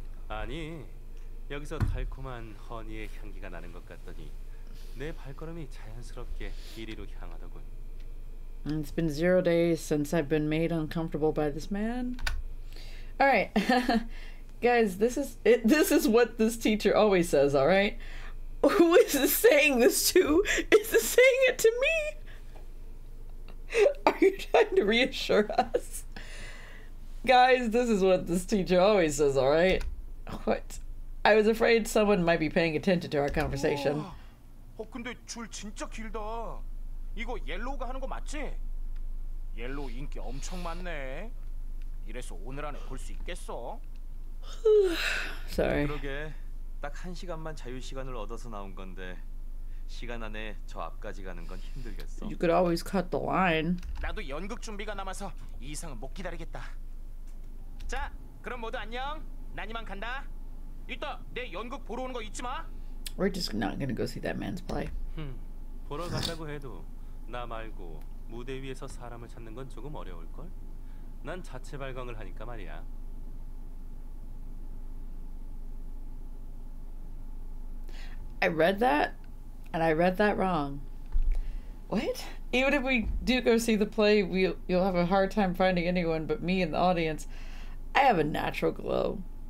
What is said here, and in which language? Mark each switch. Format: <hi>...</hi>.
<ko>아니, 여기서 달콤한 허니의 향기가 나는 것 같더니 내 발걸음이 자연스럽게 이리로 향하더군.</ko> <en>It's been 0 days since I've been made uncomfortable by this man. All right. Guys, this is what this teacher always says, all right? Who is this saying this to? Is this saying it to me? Are you trying to reassure us? Guys, this is what this teacher always says, all right? What? I was afraid someone might be paying attention to our conversation.</en> <ko>어, 근데 줄 진짜 길다. 이거 옐로우가 하는 거 맞지? 옐로우 인기 엄청 많네. 이래서 오늘 안에 볼 수 있겠어?</ko> <en>Sorry.</en> <ko>그러게. 딱 한 시간만 자유 시간을 얻어서 나온 건데 시간 안에 저 앞까지 가는 건 힘들겠어.</ko> <en>You could always cut the line.</en> <ko>나도 연극 준비가 남아서 이 이상은 못 기다리겠다. 자, 그럼 모두 안녕. 나니만 간다. 이따 내 연극 보러 오는 거 잊지 마.</ko> <en>We're just not gonna go see that man's play.</en> <ko>보러 간다고 해도 나 말고 무대 위에서 사람을 찾는 건 조금 어려울 걸. 난 자체 발광을 하니까 말이야.</ko> <en>I read that, and I read that wrong. What? Even if we do go see the play, you'll have a hard time finding anyone but me in the audience. I have a natural glow.</en>